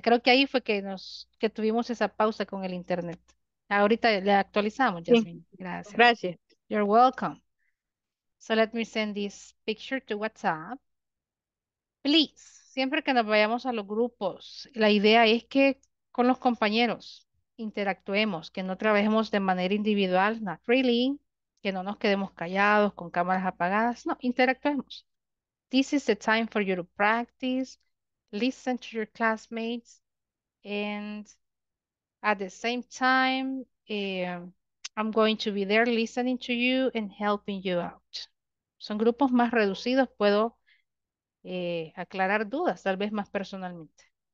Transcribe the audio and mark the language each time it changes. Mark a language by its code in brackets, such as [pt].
[es] Creo que ahí fue que tuvimos esa pausa con el internet. Ahorita le actualizamos, Yasmín. Sí. Gracias. Gracias. [en] You're welcome. So let me send this picture to WhatsApp. [es] Please, siempre que nos vayamos a los grupos, la idea es que con los compañeros interactuemos, que no trabajemos de manera individual, [en] not really, [es] que no nos quedemos callados con cámaras apagadas, no, interactuemos. [en] This is the time for you to practice, listen to your classmates, and at the same time, I'm going to be there listening to you and helping you out. [es] Son grupos más reducidos, puedo aclarar dudas, tal vez más personalmente.